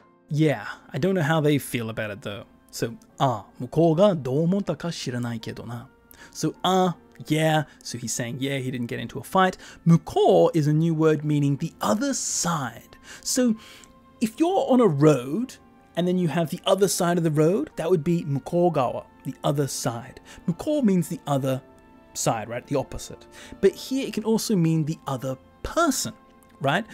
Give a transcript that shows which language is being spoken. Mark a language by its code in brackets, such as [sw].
[en] Yeah, I don't know how they feel about it though. [ja] So, ah, 向こうがどう思ったか知らないけどな. [en] So, ah, yeah, so he's saying, yeah, he didn't get into a fight. Mukou is a new word meaning the other side. So if you're on a road and then you have the other side of the road, that would be mukougawa, the other side. Mukou means the other side, right? The opposite. But here it can also mean the other person, right?